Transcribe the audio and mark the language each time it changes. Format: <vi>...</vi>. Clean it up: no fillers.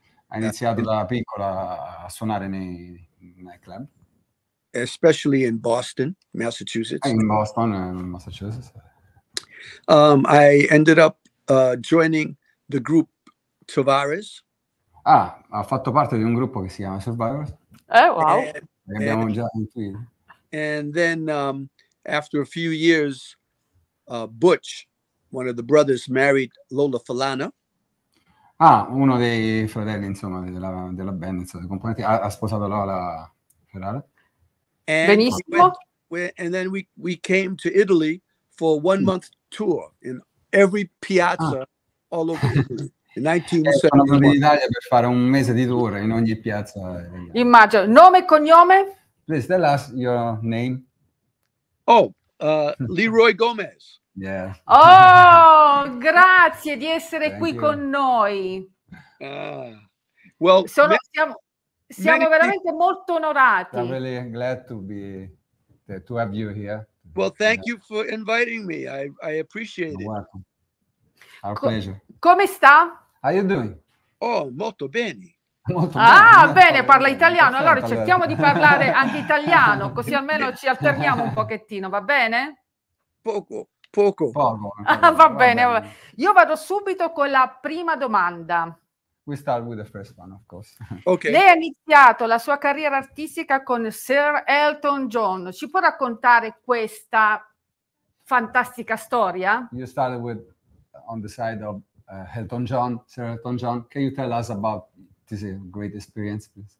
<it>Ha iniziato da piccola a suonare nei nightclub.</it> <en>Especially in Boston, Massachusetts. In Boston, Massachusetts. I ended up joining the group Tavares.</en> <it>Ah, ha fatto parte di un gruppo che si chiama Survivors. Wow. Abbiamo già sentito.</it> <en>And then after a few years Butch, one of the brothers, married Lola Falana.</en> <it>Ah, uno dei fratelli, insomma, della band, insomma, dei componenti, ha sposato Lola Ferrara. Benissimo.</it> <en>And then we came to Italy for one month tour in every piazza all over Italy.</en> <it>Sono venuto in Italia per fare un mese di tour in ogni piazza. Immagino. Nome e cognome?</it> <en>Please tell us your name. Oh, Leroy Gomez. Yeah.</en> <it>Oh, grazie di essere</it> <en>Thank</en> <it>qui</it> <en>you.</en> <it>Con noi.</it> <en>Well,</en> <it>siamo veramente molto onorati.</it> <en>I'm really glad to have you here. Well, thank you for inviting me. I appreciate You're it. Welcome. Our pleasure.</en> <it>Come sta?</it> <en>How you doing?</en> <it>Oh, molto bene. Molto bene, parla italiano. Allora cerchiamo di parlare anche italiano, così almeno ci alterniamo un pochettino, va bene? Poco. Va bene. Io vado subito con la prima domanda.</it> <en>We start with the first one, of course. Okay.</en> <it>Lei ha iniziato la sua carriera artistica con Sir Elton John. Ci può raccontare questa fantastica storia?</it> <en>You started with on the side of Elton John, Sir Elton John. Can you tell us about this great experience, please?</en>